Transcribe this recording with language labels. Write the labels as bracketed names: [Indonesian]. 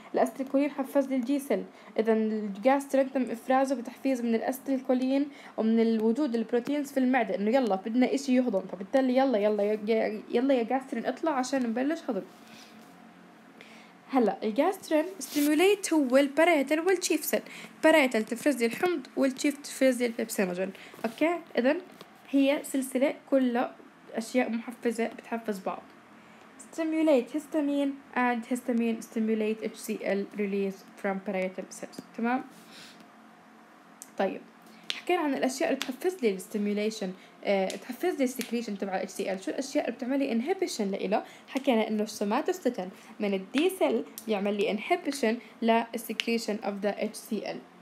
[Arabic] الاستيلكولين حفز لي الجي سيل، اذا الجاسترين تم افرازه بتحفيز من الاستيلكولين ومن الوجود البروتينز في المعده انه يلا بدنا اشي يهضم، فبالتالي يلا يلا يلا يا جاسترين اطلع عشان نبلش هضم. هلا الجاسترين ستيمولييت هو البارايتال والتشيف سيل، البارايتال تفرز لي الحمض والتشيف تفرز لي البيبسينوجين. اوكي اذا هي سلسله كلها أشياء محفزة بتحفز بعض. [English] stimulate histamine and histamine stimulate HCL release from parietal cells. [Arabic] تمام؟ طيب حكينا عن الأشياء اللي تحفز لي stimulation تحفز لي secretion تبع HCL. شو الأشياء اللي بتعمل لي inhibition لإله؟ حكينا إنه somatostatin من D cell بيعمل لي inhibition ل [English] secretion of the HCL.